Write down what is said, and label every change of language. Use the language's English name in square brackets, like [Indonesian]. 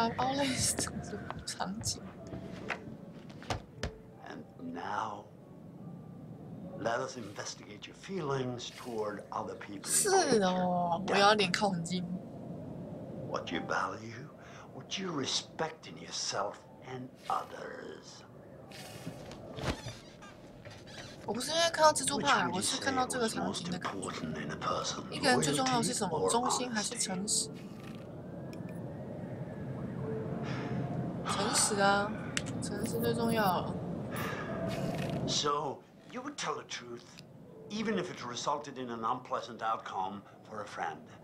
[Chinese] 这也变得超奇怪的啊，奥利斯这个场景。 [English] And now. Let us investigate your feelings toward other people. [Chinese] 是哦，我有点恐惊。 [English] What you value, what you respect in yourself and others. [Chinese] 我不是因为看到蜘蛛怕，我是看到这个场景的感觉。一个人最重要的是什么？忠心还是诚实？诚实啊，诚实最重要了。 [English] You would tell the truth, even if it resulted in an unpleasant outcome for a friend.